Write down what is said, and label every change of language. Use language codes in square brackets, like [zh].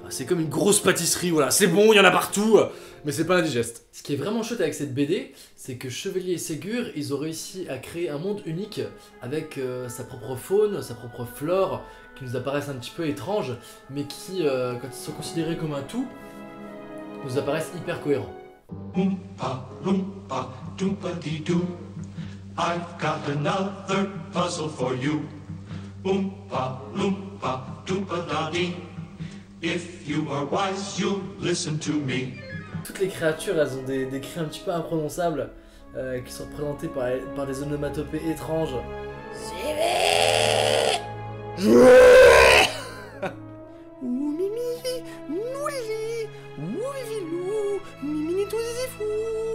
[fr] C'est comme une grosse pâtisserie, voilà, c'est bon, il y en a partout, mais c'est pas indigeste. Ce qui est vraiment chouette avec cette BD, c'est que Chevalier et Ségur, ils ont réussi à créer un monde unique, avec sa propre faune, sa propre flore, qui nous apparaissent un petit peu étranges, mais qui, quand ils sont considérés comme un tout, nous apparaissent hyper cohérents. [en] Oompa, oompa, doompa-dee-doo, I've got another puzzle for you. Oompa loompa doompa da dee, if you are wise you'll listen to me. [fr] Toutes les créatures, elles ont des cris un petit peu imprononçables qui sont représentées par des onomatopées étranges. Suivi Ou mimi mouli ouvilou mimini tout zizi fou.